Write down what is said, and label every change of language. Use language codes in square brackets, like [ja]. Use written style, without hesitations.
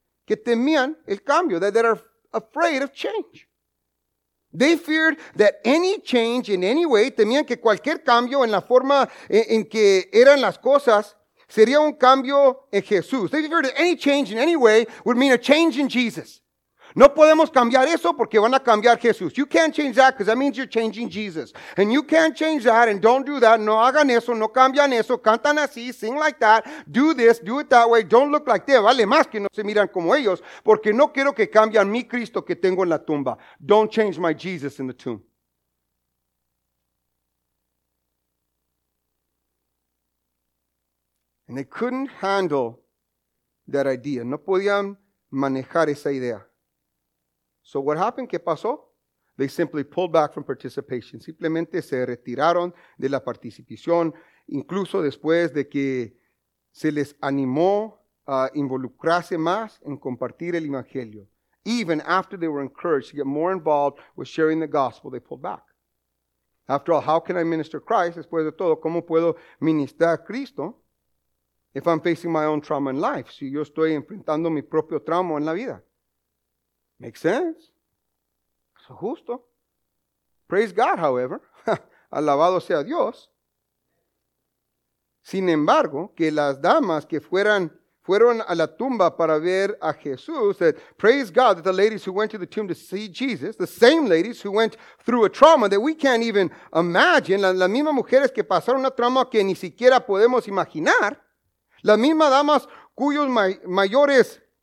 [es] Que temían el cambio, [en] that they are afraid of change. They feared that any change in any way, [es] temían que cualquier cambio en la forma en que eran las cosas, sería un cambio en Jesús. [en] They feared that any change in any way would mean a change in Jesus. [es] No podemos cambiar eso porque van a cambiar Jesús. [en] You can't change that because that means you're changing Jesus. And you can't change that and don't do that. [es] No hagan eso, no cambian eso. Cantan así, [en] sing like that. Do this, do it that way. Don't look like them. [es] Vale más que no se miran como ellos porque no quiero que cambien mi Cristo que tengo en la tumba. [en] Don't change my Jesus in the tomb. And they couldn't handle that idea. [es] No podían manejar esa idea. [en] So what happened? [es] ¿Qué pasó? [en] They simply pulled back from participation. [es] Simplemente se retiraron de la participación, incluso después de que se les animó a involucrarse más en compartir el evangelio. [en] Even after they were encouraged to get more involved with sharing the gospel, they pulled back. After all, how can I minister Christ? [es] Después de todo, ¿cómo puedo ministrar a Cristo? [en] If I'm facing my own trauma in life, [es] si yo estoy enfrentando mi propio trauma en la vida. [en] Makes sense. [es] Eso es justo. [en] Praise God, however. [es] Alabado sea Dios. Sin embargo, que las damas que fueron a la tumba para ver a Jesús, [en] that praise God that the ladies who went to the tomb to see Jesus, the same ladies who went through a trauma that we can't even imagine, [es] las mismas mujeres que pasaron una trauma que ni siquiera podemos imaginar, las mismas damas cuyos mayores